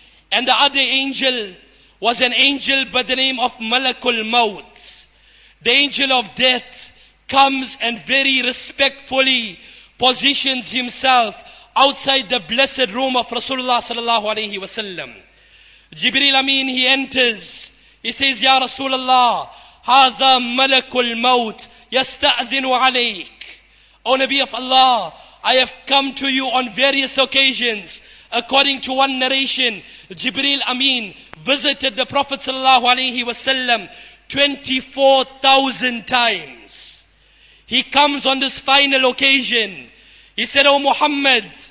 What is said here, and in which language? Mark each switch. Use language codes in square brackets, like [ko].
[en] And the other angel was an angel by the name of Malakul Maut. The angel of death comes and very respectfully positions himself outside the blessed room of Rasulullah sallallahu alayhi wasallam. Jibreel Amin, he enters. He says, [ar] "Ya Rasulullah, هذا ملك الموت يستأذن عليك." [en] O Nabi of Allah, I have come to you on various occasions. According to one narration, Jibreel Amin visited the Prophet sallallahu alayhi wasallam 24,000 times. He comes on this final occasion. He said, "Oh Muhammad,